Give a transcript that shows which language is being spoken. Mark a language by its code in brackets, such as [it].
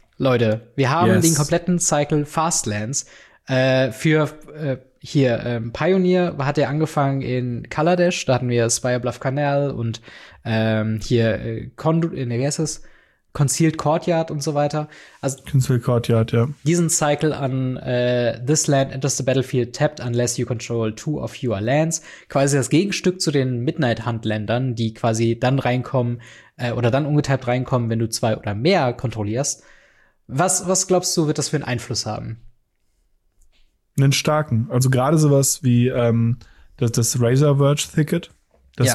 [de] Leute, wir haben den kompletten Cycle Fastlands. Für hier Pioneer hat er angefangen in Kaladesh. Da hatten wir Spire Bluff Canal und hier Concealed Courtyard und so weiter. Also Concealed Courtyard, ja. Diesen Cycle an [en] this land enters the battlefield tapped unless you control 2 of your lands. [de] Quasi das Gegenstück zu den Midnight Hunt Ländern, die quasi dann reinkommen oder dann ungetappt reinkommen, wenn du 2 oder mehr kontrollierst. Was glaubst du, wird das für einen Einfluss haben? einen starken. Also gerade sowas wie das Razor Verge Thicket, das ja.